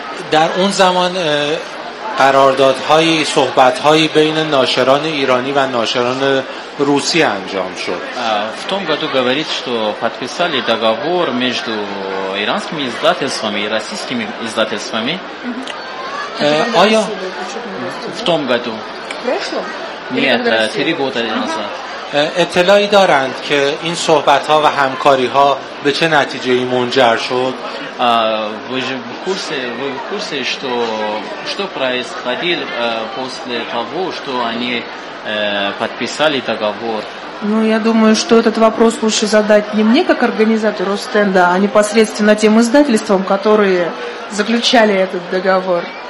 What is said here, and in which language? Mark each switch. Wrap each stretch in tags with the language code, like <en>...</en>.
<fa>در اون زمان قراردادهای صحبتهای بین ناشران ایرانی و ناشران روسی انجام شد.</fa> <ru>В том году говорит, что подписали договор между иранскими издательствами и российскими издательствами. Ая. В том году. В прошлом? Нет, три года назад.</ru> <fa>اطلاعی دارند که این صحبت‌ها و همکاری‌ها به چه نتیجه‌ای منجر شد؟</fa> <ru>В курсе, что происходил после того, что они подписали договор? Ну, я думаю, что этот вопрос лучше задать не мне, как организатору стенда, а непосредственно тем издательствам, которые заключали этот договор.</ru>